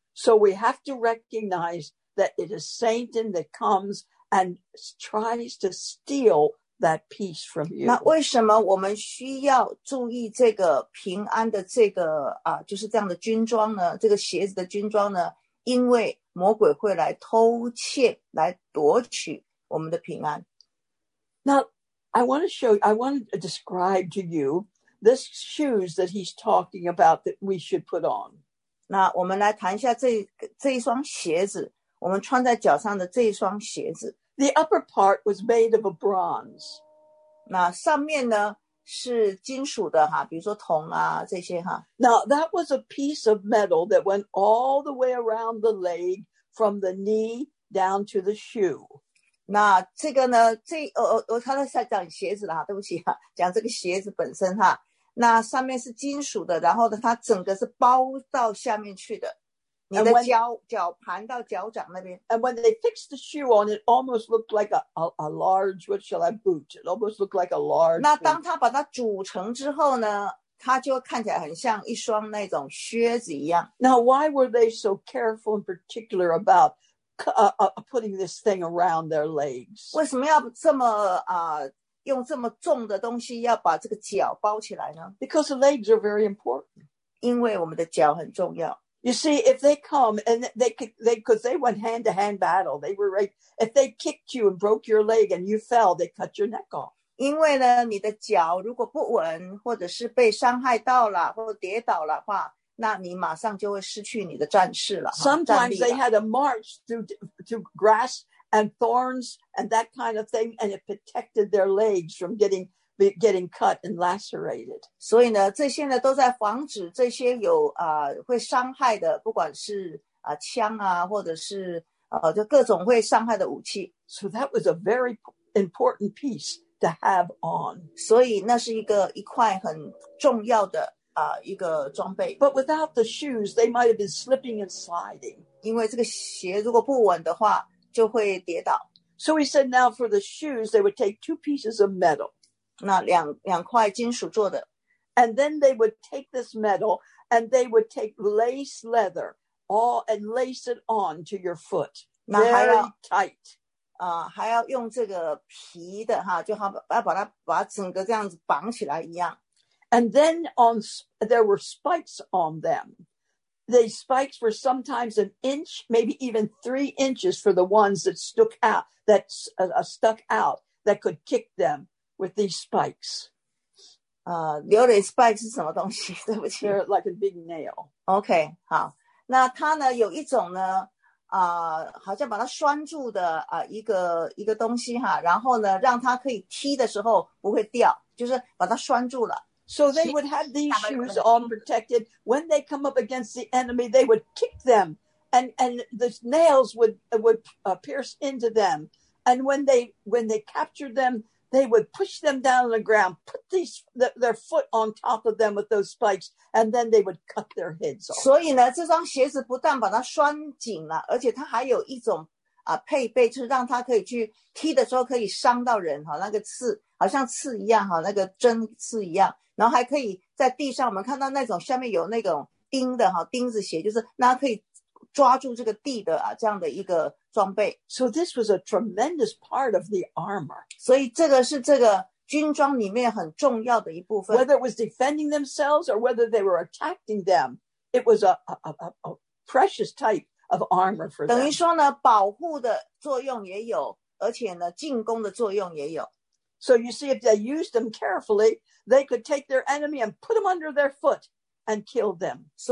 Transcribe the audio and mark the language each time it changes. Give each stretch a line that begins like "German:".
English: So we have to recognize that it is Satan that comes and tries to steal that peace from you.
Chinese: 那为什么我们需要注意这个平安的这个啊，就是这样的军装呢？这个鞋子的军装呢？因为魔鬼会来偷窃，来夺取我们的平安。
English: Now, I want to describe to you the shoes that he's talking about that we should put on.
Chinese: 那我们来谈一下这一双鞋子，我们穿在脚上的这一双鞋子。
English: The upper part was made of a bronze.
Chinese: 那上面呢是金属的哈，比如说铜啊这些哈。
English: Now that was a piece of metal that went all the way around the leg from the knee down to the shoe.
Chinese: 那这个呢，我刚才在讲鞋子了哈，对不起哈，讲这个鞋子本身哈。那上面是金属的，然后呢，它整个是包到下面去的，你的脚盘到脚掌那边。
English: And when they fixed the shoe on, it almost looked like a large, what shall I boot? It almost looked like a large.
Chinese: 那当它把它组成之后呢，它就看起来很像一双那种靴子一样。
English: Now, why were they so careful in particular about putting this thing around their legs?
Chinese: 为什么要这么用这么重的东西要把这个脚包起来呢？
English: Because the legs are very important.
Chinese: 因为我们的脚很重要。
English: You see, if they come and they went hand to hand battle, they were right. If they kicked you and broke your leg and you fell, they cut your neck off.
Chinese: 因为呢，你的脚如果不稳，或者是被伤害到了，或者跌倒了的话，那你马上就会失去你的战士了。
English: Sometimes they had a march to grass. And thorns and that kind of thing, and it protected their legs from getting cut and lacerated.
Chinese: 所以呢，这些呢都在防止这些有会伤害的，不管是枪啊，或者是就各种会伤害的武器。
English: So that was a very important piece to have on.
Chinese: 所以那是一块很重要的一个装备。
English: But without the shoes, they might have been slipping and sliding.
Chinese: 因为这个鞋如果不稳的话。就会跌倒。
English: So he said, now for the shoes, they would take two pieces of metal.
Chinese: 那两块金属做的。
English: And then they would take this metal and they would take lace leather all and lace it on to your foot. Very tight.
Chinese: 还要用这个皮的哈，就好把整个这样子绑起来一样。
English: And then there were spikes on them. The spikes were sometimes an inch, maybe even 3 inches for the ones that stuck out, that could kick them with these spikes.
Chinese: Leonard spikes 是什么东西？对不起。
English: They're like a big nail.
Chinese: Okay, 好。那它呢，有一种呢，好像把它拴住的一个东西哈，然后呢，让它可以踢的时候不会掉，就是把它拴住了。
English: So they would have these shoes on protected. When they come up against the enemy, they would kick them and the nails would pierce into them. And when they captured them, they would push them down on the ground, put these, their foot on top of them with those spikes, and then they would cut their heads off.
Chinese: 所以呢, 这双鞋子不但把它拴紧了, 而且它还有一种, 啊, 配备, 就是让它可以去踢的时候可以伤到人, 哈, 那个刺, 好像刺一样, 哈, 那个针刺一样, 然后还可以在地上, 我们看到那种, 下面有那种钉的, 哈, 钉子鞋, 就是那可以 抓住这个地的啊, 这样的一个装备。
English: So this was a tremendous part of the armor.
Chinese: 所以这个是这个军装里面很重要的一部分。
English: Whether it was defending themselves or whether they were attacking them, it was a precious type of armor for them.
Chinese: 等于说呢, 保护的作用也有, 而且呢, 进攻的作用也有。
English: So you see, if they used them carefully, they could take their enemy and put them under their foot and kill them.